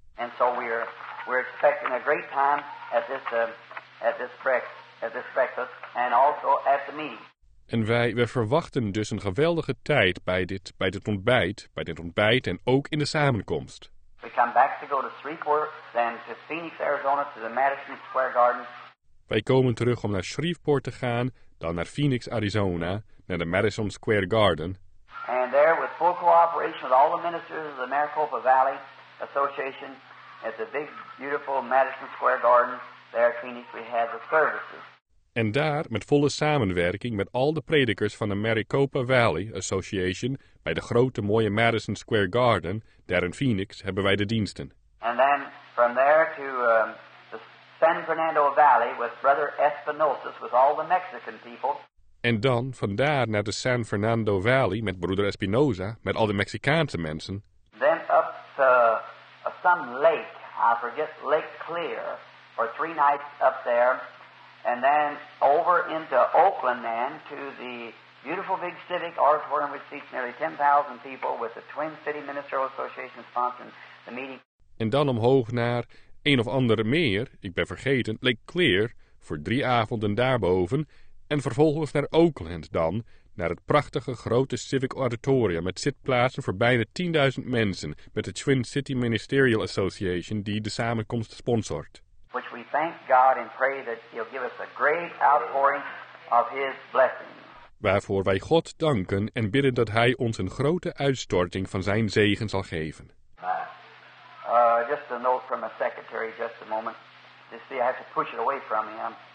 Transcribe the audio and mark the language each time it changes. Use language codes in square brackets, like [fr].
[en] And so we're expecting a great time at this breakfast, and also at the meeting. [nl] En we verwachten dus een geweldige tijd bij dit ontbijt en ook in de samenkomst. [en] We come back to go to Shreveport, then to Phoenix, Arizona, to the Madison Square Garden. [nl] Wij komen terug om naar Shreveport te gaan, dan naar Phoenix, Arizona, naar de Madison Square Garden. [en] And there, with full cooperation with all the ministers of the Maricopa Valley Association, at the big, beautiful Madison Square Garden, there in Phoenix, we had the services. [nl] En daar, met volle samenwerking met al de predikers van de Maricopa Valley Association, bij de grote mooie Madison Square Garden, daar in Phoenix, hebben wij de diensten. [en] And then, from there to the San Fernando Valley, with Brother Espinosa, with all the Mexican people. [nl] En dan, vandaar naar de San Fernando Valley, met Broeder Espinosa, met al de Mexicaanse mensen. [en] Then up to some lake, I forget, Lake Clear, for 3 nights up there. And then over into Oakland then to the beautiful big civic auditorium which seats nearly 10,000 people with the Twin City Ministerial Association sponsoring the meeting. [nl] En dan omhoog naar een of andere meer, ik ben vergeten, Lake Clear, voor 3 avonden daarboven. En vervolgens naar Oakland dan, naar het prachtige grote civic auditorium met zitplaatsen voor bijna 10.000 mensen met de Twin City Ministerial Association die de samenkomst sponsort. [en] Which we thank God and pray that He'll give us a great outpouring of His blessing. [nl] Waarvoor wij God danken en bidden dat Hij ons een grote uitstorting van Zijn zegen zal geven. [en] Just a note from my secretary, just a moment. You see, I have to push it away from him.